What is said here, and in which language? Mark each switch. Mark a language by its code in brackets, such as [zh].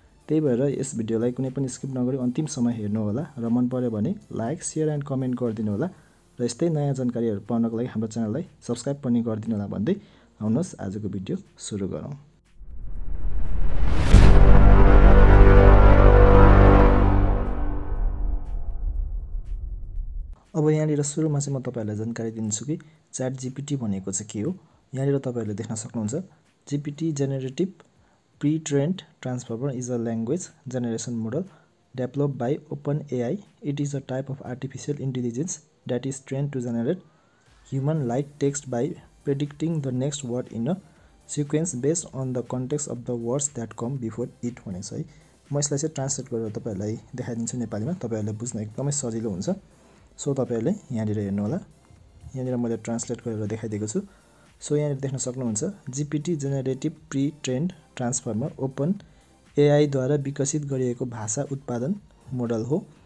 [ne] त्यही भएर यस भिडियोलाई कुनै पनि स्किप नगरी अन्तिम समय हेर्नु होला र मन पर्यो भने लाइक, शेयर एन्ड कमेन्ट गरिदिनु होला र यस्तै नयाँ जानकारीहरु पाउनको लागि हाम्रो च्यानललाई सब्स्क्राइब पनि गरिदिनु होला भन्दै आउनुहोस् आजको भिडियो सुरु गरौँ। अब यहाँनिर सुरुमा चाहिँ म तपाईँहरूलाई जानकारी दिन्छु कि च्याट जिपिटी भनेको चाहिँ के हो। यहाँनिर तपाईँहरूले देख्न सक्नुहुन्छ [en] GPT generative pre-trained transformer is a language generation model developed by OpenAI. It is a type of artificial intelligence that is trained to generate human-like text by predicting the next word in a sequence based on the context of the words that come before it. [ne] भनेछ है, म यसलाई चाहिँ translate गरेर तपाईँहरूलाई देखाइदिन्छु नेपालीमा, तपाईँहरूले बुझ्न एकदमै सजिलो हुन्छ। सो तपाईँहरूले यहाँनिर हेर्नु होला, यहाँनिर मैले ट्रान्सलेट गरेर देखाइदिएको छु। सो यहाँनिर देख्न सक्नुहुन्छ GPT generative pre trend transformer open एआईद्वारा विकसित गरिएको भाषा उत्पादन मोडल हो।